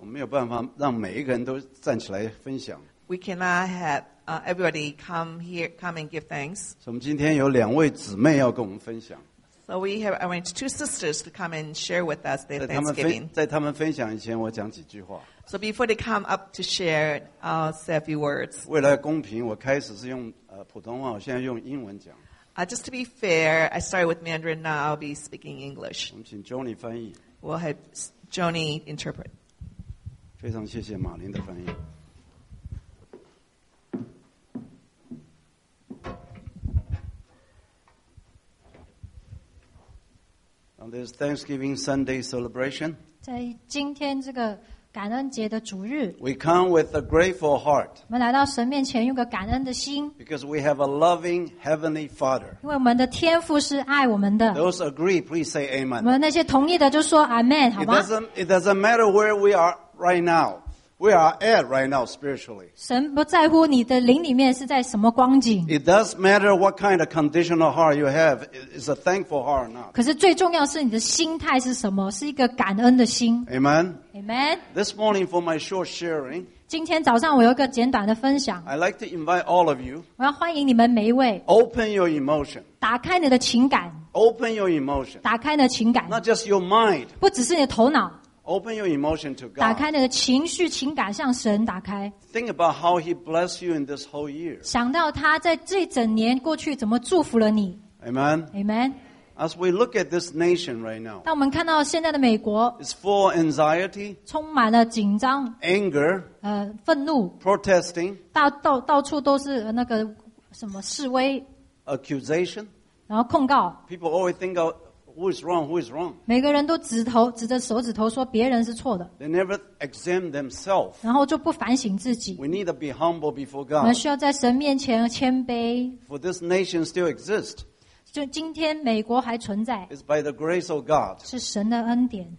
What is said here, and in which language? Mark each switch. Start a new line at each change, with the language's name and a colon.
English: We cannot have everybody come and give thanks. So we have arranged two sisters to come and share with us their Thanksgiving.
Chinese: 在他们分享以前我讲几句话。
English: So before they come up to share, I'll say a few words.
Chinese: 为了公平，我开始是用普通话，我现在用英文讲。
English: Just to be fair, I started with Mandarin, now I'll be speaking English.
Chinese: 我们请Johnny翻译。
English: We'll have Johnny interpret.
Chinese: 非常谢谢马林的翻译。
English: On this Thanksgiving Sunday celebration,
Chinese: 在今天这个 感恩节的主日,
English: we come with a grateful heart because we have a loving Heavenly Father. Those agree, please say Amen.
Chinese: 我们那些同意的就说 Amen, 好吗?
English: It doesn't matter where we are right now. We are at right now spiritually.
Chinese: 神不在乎你的灵里面是在什么光景。
English: It does matter what kind of conditional heart you have. Is a thankful heart or not?
Chinese: 可是最重要是你的心态是什么？是一个感恩的心。
English: Amen. Amen. This morning for my short sharing.
Chinese: 今天早上我有一个简短的分享。
English: I'd like to invite all of you.
Chinese: 我要欢迎你们每一位。
English: Open your emotion.
Chinese: 打开你的情感。
English: Open your emotion.
Chinese: 打开你的情感。
English: Not just your mind.
Chinese: 不只是你的头脑。
English: Open your emotion to God.
Chinese: 打开你的情绪情感向神打开。
English: Think about how He blessed you in this whole year.
Chinese: 想到他在这整年过去怎么祝福了你。
English: Amen. Amen. As we look at this nation right now,
Chinese: 当我们看到现在的美国,
English: it's full of anxiety,
Chinese: 充满了紧张,
English: anger,
Chinese: 愤怒,
English: protesting,
Chinese: 到处都是那个什么示威,
English: accusation,
Chinese: 然后控告,
English: people always think of who is wrong, who is wrong.
Chinese: 每个人都指着手指头说别人是错的,
English: they never examine themselves.
Chinese: 然后就不反省自己,
English: we need to be humble before God.
Chinese: 我们需要在神面前谦卑,
English: for this nation still exists.
Chinese: 就今天美国还存在,
English: it's by the grace of God.
Chinese: 是神的恩典。